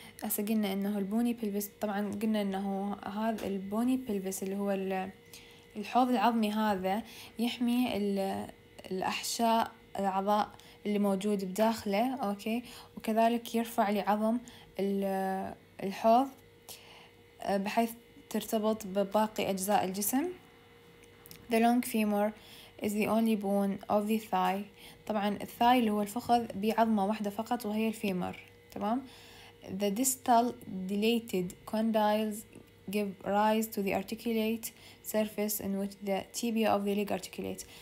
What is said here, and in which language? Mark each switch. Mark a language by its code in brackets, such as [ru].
[ar] هسه قلنا انه البوني بلبس، طبعا قلنا انه هذا البوني بلبس اللي هو الحوض العظمي، هذا يحمي الاحشاء الاعضاء اللي موجود بداخله، اوكي، وكذلك يرفع لعظم الحوض بحيث ترتبط بباقي اجزاء الجسم. [en] The long femur is the only bone of the thigh. [ar] طبعا الثاي اللي هو الفخذ بعظمه واحده فقط وهي الفيمر، تمام. [en] The distal dilated condyles give rise to the articulate surface in which the tibia of the leg articulate.